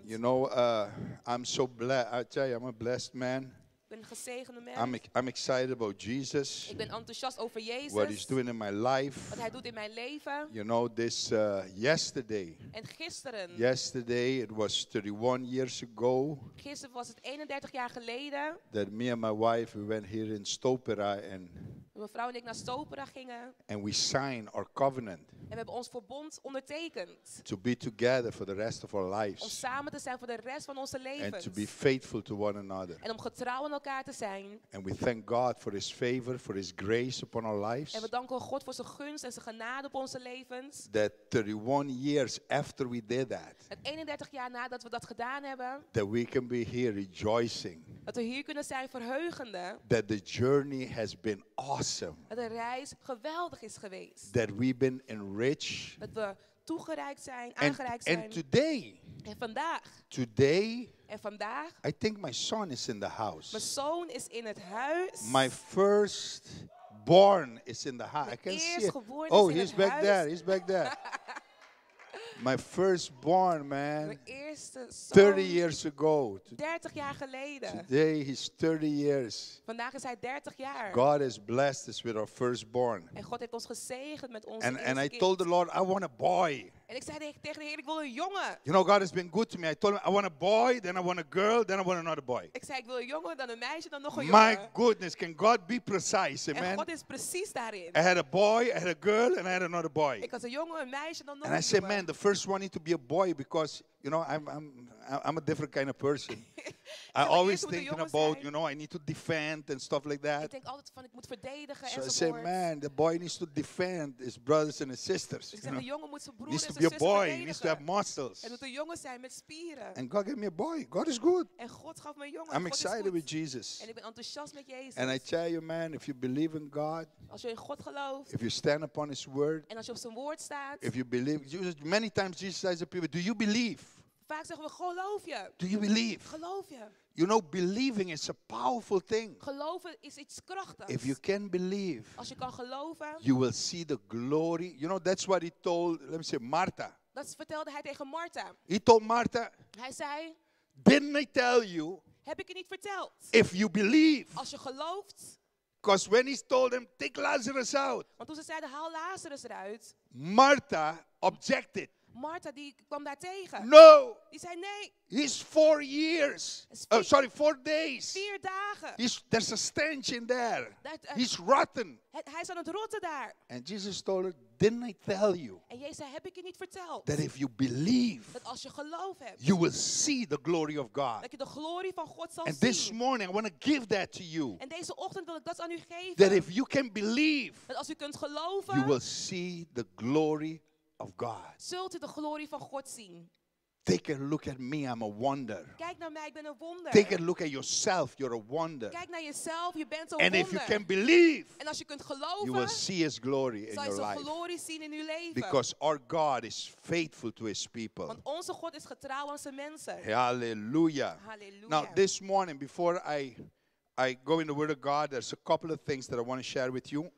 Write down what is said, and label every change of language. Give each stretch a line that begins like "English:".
English: You know, I'm so blessed. I tell you, I'm a blessed man.
Dutch: Ik ben een gezegende man.
English: I'm excited about Jesus.
Dutch: Ik ben enthousiast over Jezus.
English: What he's doing in my life.
Dutch: Wat hij doet in mijn leven.
English: You know, this yesterday.
Dutch: En gisteren.
English: Yesterday, it was 31 years ago.
Dutch: Gisteren was het 31 jaar geleden.
English: That me and my wife, we went here in Stopera.
Dutch: Mijn vrouw en ik naar Stopera gingen.
English: And we signed our covenant.
Dutch: En we hebben ons verbond ondertekend.
English: To be together for the rest of our lives.
Dutch: Om samen te zijn voor de rest van onze levens.
English: And to be faithful to one another.
Dutch: En om getrouw aan elkaar te zijn.
English: And we thank God for his favor, for his grace upon our lives.
Dutch: En we danken God voor zijn gunst en zijn genade op onze levens.
English: That 31 years after we did that.
Dutch: Dat 31 jaar nadat we dat gedaan hebben.
English: That we can be here rejoicing.
Dutch: Dat we hier kunnen zijn verheugende.
English: That the journey has been awesome.
Dutch: Dat de reis geweldig is geweest.
English: That we've been enriched.
Dutch: Dat we toegereikt zijn, aangereikt zijn.
English: And today.
Dutch: En vandaag.
English: Today.
Dutch: En vandaag.
English: I think my son is in the house.
Dutch: Mijn zoon is in het huis.
English: My first born is in the house. I can see it. Oh, he's back there. He's back there. My first born, man.
Dutch: Mijn eerste zoon.
English: 30 years ago.
Dutch: 30 jaar geleden.
English: Today he's 30 years.
Dutch: Vandaag is hij 30 jaar.
English: God has blessed us with our firstborn.
Dutch: En God heeft ons gezegend met onze eerste kind.
English: And I told the Lord, I want a boy.
Dutch: En ik zei tegen de Heer, ik wil een jongen.
English: You know, God has been good to me. I told him, I want a boy, then I want a girl, then I want another boy.
Dutch: Ik zei, ik wil een jongen, dan een meisje, dan nog een jongen.
English: My goodness, can God be precise, amen?
Dutch: En God is precies daarin.
English: I had a boy, I had a girl, and I had another boy.
Dutch: Ik had een jongen, een meisje, dan nog een
English: And I said, man, the first one need to be a boy, because, you know, I'm a different kind of person. I always thinking about, you know, I need to defend and stuff like that.
Dutch: Ik denk altijd van, ik moet verdedigen.
English: So I say, man, the boy needs to defend his brothers and his sisters.
Dutch: Ik zeg, de jongen moet zijn broer en zijn zus verdedigen.
English: Needs to be a boy, needs to have muscles.
Dutch: En moet een jongen zijn met spieren.
English: And God gave me a boy. God is good.
Dutch: En God gaf me een jongen.
English: I'm excited with Jesus.
Dutch: En ik ben enthousiast met Jezus.
English: And I tell you, man, if you believe in God.
Dutch: Als je in God gelooft.
English: If you stand upon his word.
Dutch: En als je op zijn woord staat.
English: If you believe, Jesus, many times Jesus says to people, do you believe?
Dutch: Vaak zeggen we, geloof je.
English: Do you believe?
Dutch: Geloof je.
English: You know, believing is a powerful thing.
Dutch: Geloven is iets krachtigs.
English: If you can believe.
Dutch: Als je kan geloven.
English: You will see the glory. You know, that's what he told, let me say, Martha.
Dutch: Dat vertelde hij tegen Martha.
English: He told Martha.
Dutch: Hij zei.
English: Didn't I tell you.
Dutch: Heb ik je niet verteld.
English: If you believe.
Dutch: Als je gelooft.
English: Because when he told them, take Lazarus out.
Dutch: Want toen ze zeiden, haal Lazarus eruit.
English: Martha objected.
Dutch: Martha die kwam daar tegen.
English: No.
Dutch: Die zei nee.
English: He's 4 years. Four days.
Dutch: 4 dagen.
English: There's a stench in there. He's rotten.
Dutch: Hij is aan het rotten daar.
English: And Jesus told her, didn't I tell you?
Dutch: En Jezus zei, heb ik je niet verteld?
English: That if you believe,
Dutch: dat als je geloof hebt,
English: you will see the glory of God.
Dutch: Dat je de glorie van God zal
English: and
Dutch: zien.
English: And this morning I want to give that to you.
Dutch: En deze ochtend wil ik dat aan u geven.
English: That if you can believe,
Dutch: dat als u kunt geloven,
English: you will see the glory of God.
Dutch: Zult u de glorie van God zien?
English: Take a look at me, I'm a wonder.
Dutch: Kijk naar mij, ik ben een wonder.
English: Take a look at yourself, you're a wonder.
Dutch: Kijk naar jezelf, je bent een
English: and
Dutch: wonder.
English: If you can believe,
Dutch: en als je kunt geloven,
English: you will see his glory in your life.
Dutch: Zal je zijn glorie zien in uw leven.
English: Because our God is faithful to his people.
Dutch: Want onze God is getrouw aan zijn mensen.
English: Hallelujah.
Dutch: Hallelujah.
English: Now this morning, before I go in the Word of God, there's a couple of things that I want to share with you.